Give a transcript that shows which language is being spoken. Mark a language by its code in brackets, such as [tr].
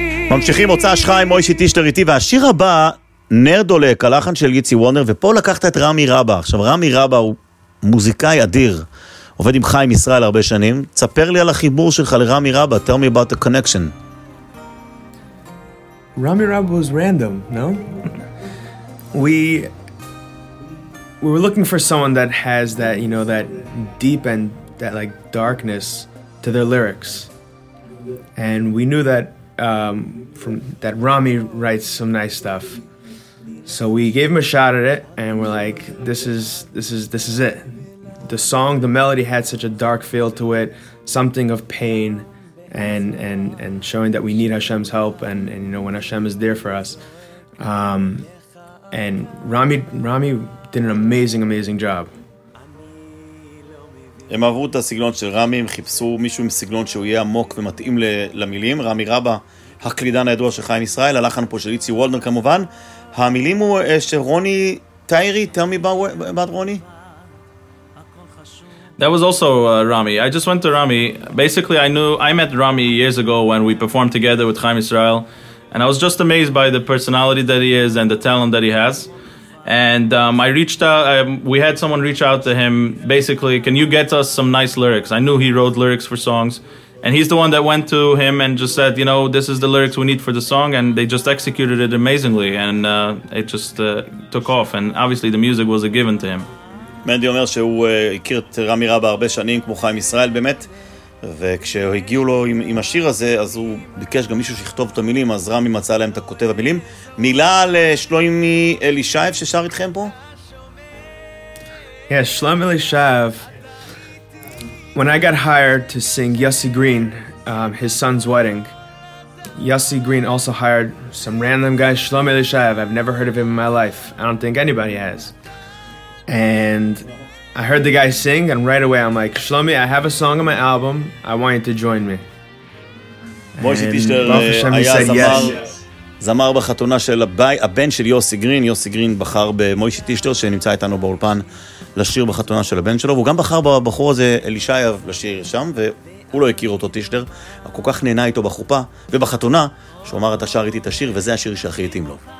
[he] ממשיכים מוצא שחיים, מוישי טישנר איתי, והשיר הבא, נר דולק, הלחן של יצי וונר, ופה לקחת את רמי רבה. עכשיו, רמי רבה הוא מוזיקאי אדיר, עובד עם חיים ישראל הרבה שנים. תספר לי על החיבור שלך לרמי רבה, [en] tell me about the connection. [he] רמי רבה [en] was random, no? We were looking for someone that has that, you know, that deep and that like darkness to their lyrics. And we knew that from that Rami writes some nice stuff, so we gave him a shot at it, and we're like, this is it. The song, the melody had such a dark feel to it, something of pain and showing that we need Hashem's help, and you know, when Hashem is there for us. And Rami did an amazing job. [he] הם אהבו את הסגנון של רמי, הם חיפשו מישהו עם סגנון שהוא יהיה עמוק ומתאים למילים. רמי רבה, הקלידן הידוע של חיים ישראל, הלחן פה של יצי וולדנר כמובן. המילים הוא שרוני טיירי, [en] tell me about [he] רוני. [en] That was also Rami. I just went to Rami. Basically, I met Rami years ago when we performed together with Chaim Israel. And I was just amazed by the personality that he is and the talent that he has. And I reached out, we had someone reach out to him, basically, can you get us some nice lyrics? I knew he wrote lyrics for songs. And he's the one that went to him and just said, you know, this is the lyrics we need for the song. And they just executed it amazingly. And it just took off. And obviously the music was a given to him. [he] מנדי אומר שהוא הכיר את רמי רבה הרבה שנים, כמו חיים ישראל באמת, וכשהגיעו לו עם השיר הזה, אז הוא ביקש גם מישהו שיכתוב את המילים, אז רמי מצא להם את הכותב המילים. מילה לשלומי אלישייב ששר איתכם פה? [en] Yes, שלומי אלישייב. When I got hired to sing Yossi Green, his son's wedding, Yossi Green also hired some random guy, Shlomi Elishaev. I've never heard of him in my life. I don't think anybody has. And I heard the guy sing, and right away I'm like, Shlomi, I have a song on my album. I want you to join me. And Baruch Hashem, he said yes. [he] זמר בחתונה של הבן של יוסי גרין. יוסי גרין בחר במוישי טישטר, שנמצא איתנו באולפן, לשיר בחתונה של הבן שלו. והוא גם בחר בבחור הזה, אלישייב, לשיר שם, והוא לא הכיר אותו טישטר. הוא כל כך נהנה איתו בחופה ובחתונה, שהוא אמר, אתה שר איתי את השיר, וזה השיר שהכי התאים לו.